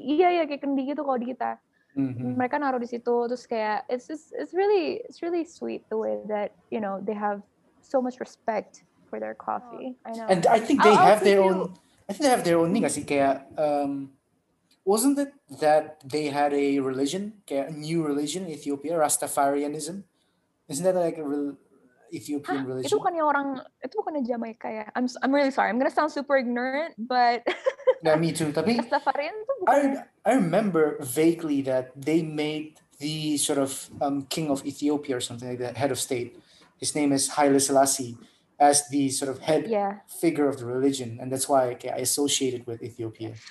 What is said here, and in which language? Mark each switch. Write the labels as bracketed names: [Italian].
[Indonesian] Iya, kayak kendi gitu kalau di kita. Mereka naruh di situ, terus kayak [English] it's really sweet the way that, you know, they have so much respect for their coffee. I know. And I think they have their own thing, sih. Kayak wasn't it that they had a religion, kayak a new religion in Ethiopia, Rastafarianism? Isn't that like a real Ethiopian religion? [Indonesian] Itu bukannya Jamaica ya? [English] I'm really sorry. I'm gonna sound super ignorant, but yeah, me too. Tapi [Indonesian] Rastafarian itu [English] bukan. I remember vaguely that they made the sort of king of Ethiopia or something like that, head of state. His name is Haile Selassie, as the sort of head figure of the religion, and that's why I associated with Ethiopia.